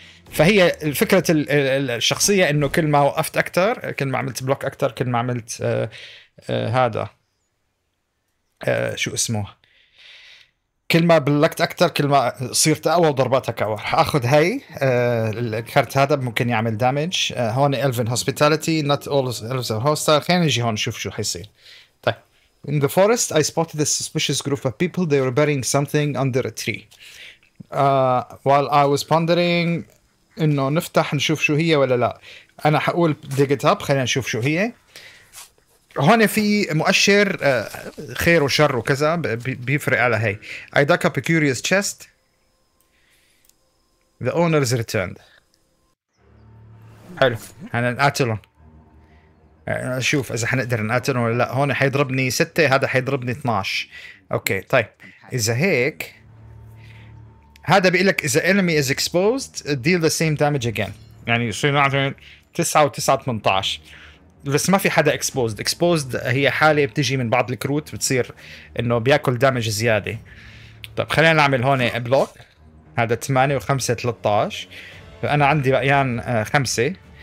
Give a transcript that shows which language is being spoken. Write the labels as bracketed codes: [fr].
[ar] فهي الفكره الشخصيه انه كل ما وقفت اكثر، كل ما عملت بلوك اكثر، كل ما عملت هذا شو اسمه، كل ما بلكت اكثر كل ما صرت اقوى وضرباتك اقوى. راح اخذ هاي الكارت، هذا ممكن يعمل دامج. هون [en] الفن hospitality not اول الفز هوستر. [ar] خلينا نجي هون نشوف شو حيصير. [en] طيب in the forest I spotted a suspicious group of people. They were burying something under a tree. While I was pondering [ar] انه نفتح نشوف شو هي ولا لا، انا حقول [en] dig it up. [ar] خلينا نشوف شو هي. هون في مؤشر خير وشر وكذا بيفرق على هاي. [en] I dug up a curious chest. The owner is returned. [ar] حلو، هنا نقاتلهم نشوف إذا حنقدر نقاتلهم ولا لا. هون حيضربني 6، هذا حيضربني 12. أوكي طيب، إذا هيك هذا بيقلك إذا [en] enemy is exposed deal the same damage again. [ar] يعني يصير نعطي 9 و 9 18، بس ما في حدا exposed. exposed هي حالة بتجي من بعض الكروت بتصير انه بياكل دامج زيادة. طب خلينا نعمل هون بلوك، هذا 8 و5 13، فأنا عندي بقيان 5.